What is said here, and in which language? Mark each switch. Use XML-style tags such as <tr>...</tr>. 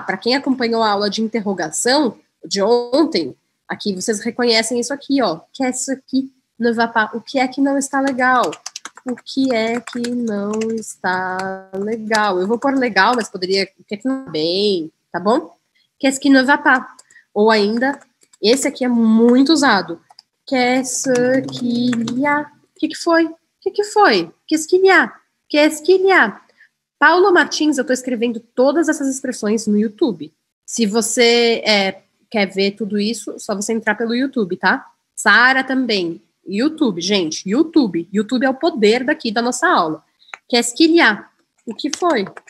<pt>Para quem acompanhou a aula de interrogação de ontem, aqui vocês reconhecem isso aqui, ó.</pt> <fr>Qu'est-ce qui ne va pas?</fr> <pt>O que é que não está legal? O que é que não está legal? Eu vou pôr legal, mas poderia... O que é que não está bem, tá bom?</pt> <fr>Qu'est-ce qui ne va pas?</fr> <pt>Ou ainda, esse aqui é muito usado.</pt> <fr>Qu'est-ce qu'il y a?</fr> <pt>O que foi? O que foi?</pt> <fr>Qu'est-ce qu'il y a? Qu'est-ce qu'il y a?</fr> <pt>Paulo Martins, eu estou escrevendo todas essas expressões no YouTube. Se você quer ver tudo isso, só você entrar pelo YouTube, tá? Sara também. YouTube, gente, YouTube. YouTube é o poder daqui da nossa aula. Quer esquilhar? O que foi?</pt>